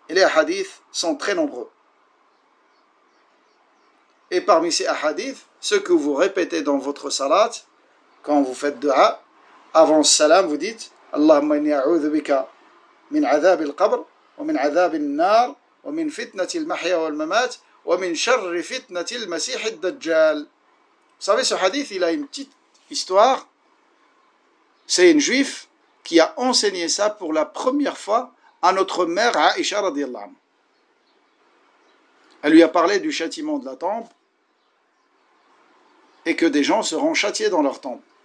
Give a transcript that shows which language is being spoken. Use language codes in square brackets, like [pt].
[fr] Et les hadiths sont très nombreux. Et parmi ces hadiths, ce que vous répétez dans votre salat, quand vous faites dua, avant salam, vous dites « [ar] Allahumma inni a'udhu bika min adhab al-qabr wa min adhab al-nar ومن فتنة المحيا والممات ومن شر فتنة المسيح الدجال. [fr] Vous savez, ce hadith, il a une petite histoire. C'est une juive qui a enseigné ça pour la première fois à notre mère Aïcha radiallahu anha. Elle lui a parlé du châtiment de la tombe et que des gens seront châtiés dans leur tombe.